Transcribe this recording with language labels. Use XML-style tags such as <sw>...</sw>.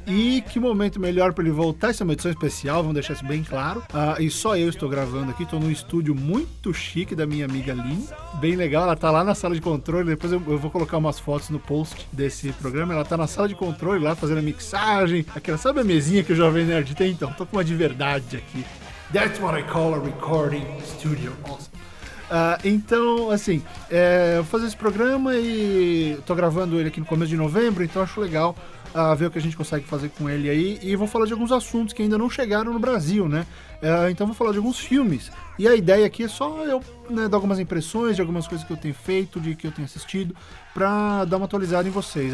<pt>E que momento melhor para ele voltar? Essa é uma edição especial, vamos deixar isso bem claro. E só eu estou gravando aqui, estou num estúdio muito chique da minha amiga Lynn. Bem legal, ela está lá na sala de controle. Depois eu vou colocar umas fotos no post desse programa. Ela está na sala de controle lá fazendo a mixagem. Aquela, sabe a mesinha que o Jovem Nerd tem? Então, estou com uma de verdade aqui.</pt> <en>That's what I call a recording studio. Awesome.</en> <pt>Então, assim, vou fazer esse programa e tô gravando ele aqui no começo de novembro, então acho legal ver o que a gente consegue fazer com ele aí. E vou falar de alguns assuntos que ainda não chegaram no Brasil, né? Então vou falar de alguns filmes. E a ideia aqui é só eu, né, dar algumas impressões de algumas coisas que eu tenho feito, de que eu tenho assistido, pra dar uma atualizada em vocês.</pt>